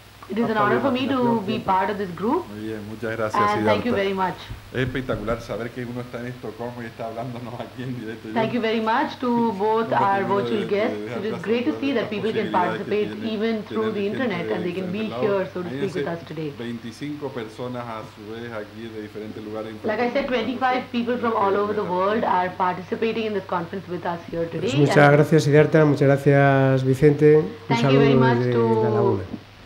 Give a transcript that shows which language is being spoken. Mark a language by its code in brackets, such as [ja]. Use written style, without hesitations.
[en] It is an honor for me to be part of this group. [es] Muy bien, muchas gracias. [en] And thank you very much. [es] Es espectacular saber que uno está en Estocolmo y está hablándonos aquí en directo. [en] Thank you very much to both our virtual guests. It is great to see that people can participate even through the internet and they can be here, so to speak, with us today. [es] 25 personas a su vez aquí de diferentes lugares. [en] Like I said, 25 people from all over the world are participating in this conference with us here today. [es] Pues muchas gracias, Siddhartha. Muchas gracias, Vicente. Un saludo desde La Laguna.